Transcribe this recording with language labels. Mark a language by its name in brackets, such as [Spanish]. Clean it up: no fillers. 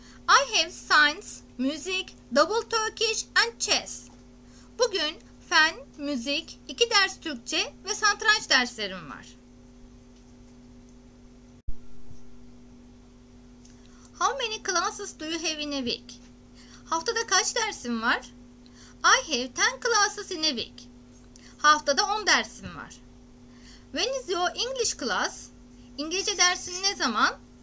[English] I have science, music, double Turkish and chess. [Turkish] Bugün fen, müzik, iki ders Türkçe ve satranç derslerim var. [English] How many classes do you have in a week? [Turkish] Haftada kaç dersin var? [English] I have 10 classes in a week. [Turkish] Haftada 10 dersim var. [English] When is your English class? [Turkish] İngilizce dersin ne zaman?